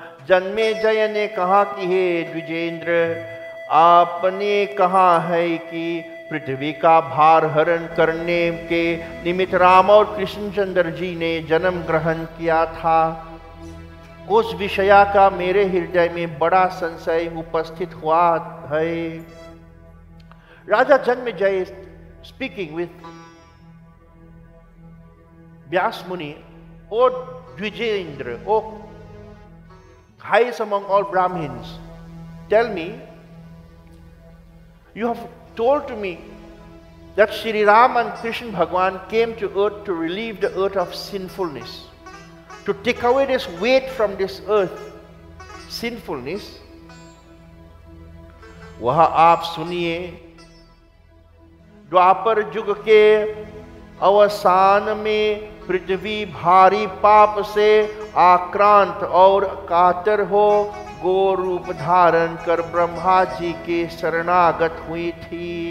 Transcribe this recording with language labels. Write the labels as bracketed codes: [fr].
[hi] जन्मे जय ने कहा कि हे द्विजेंद्र, आपने कहा है कि पृथ्वी का भार हरण करने के निमित्त राम और कृष्णचंद्र जी ने जन्म ग्रहण किया था। उस विषया का मेरे हृदय में बड़ा संशय उपस्थित हुआ है। [en] Raja Janamejaya speaking with Vyas Muni, O Dvijendra, O highest among all Brahmins, tell me, you have told to me that Shri Ram and Krishna Bhagwan came to earth to relieve the earth of sinfulness, to take away this weight from this earth, sinfulness. [hi] Vaha aap suniye, dwapar yug ke अवसान में पृथ्वी भारी पाप से आक्रांत और कातर हो गो रूप धारण कर ब्रह्मा जी के शरणागत हुई थी।